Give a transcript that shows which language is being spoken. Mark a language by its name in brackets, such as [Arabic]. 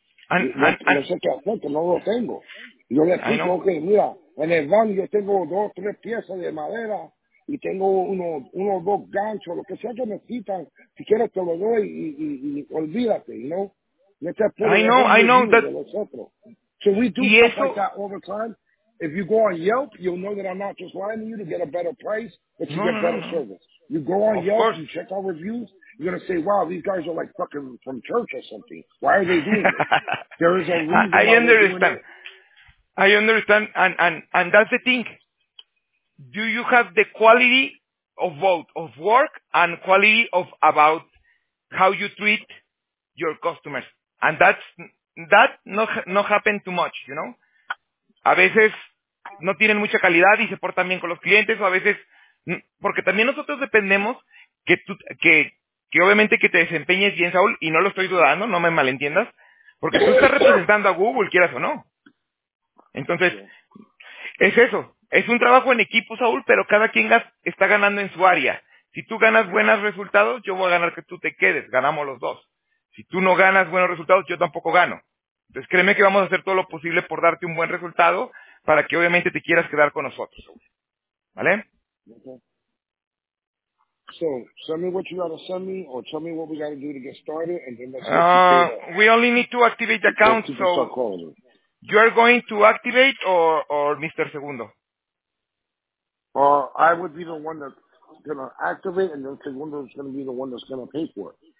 [Spanish] No sé qué hacer, que no lo tengo. Yo le explico, ok, mira, en el van yo tengo dos, tres piezas de madera y tengo uno o dos ganchos, lo que sea que necesitan. Si quieres te lo doy y olvídate, ¿no? [English] I know that. So we do stuff like that all the time. If you go on Yelp, you'll know that I'm not just lying to you to get a better price, but to get better service. You go on Yelp, you check our reviews, you're going to say, wow, these guys are like fucking from church or something. Why are they doing this? There is a reason I understand. I understand, and that's the thing. Do you have the quality of both of work and quality of about how you treat your customers? And that not happen too much, you know? [Spanish] A veces no tienen mucha calidad y se portan bien con los clientes, o a veces, porque también nosotros dependemos que obviamente que te desempeñes bien, Saúl, y no lo estoy dudando, no me malentiendas, porque tú estás representando a Google, quieras o no. Entonces, es eso. Es un trabajo en equipo, Saúl, pero cada quien está ganando en su área. Si tú ganas buenos resultados, yo voy a ganar que tú te quedes. Ganamos los dos. Si tú no ganas buenos resultados, yo tampoco gano. Entonces créeme que vamos a hacer todo lo posible por darte un buen resultado para que obviamente te quieras quedar con nosotros. ¿Vale? [English] We only need to activate the account, so you are going to activate or Mr. Segundo? I would be the one that's going to activate, and then Segundo is going to be the one that's going to pay for it.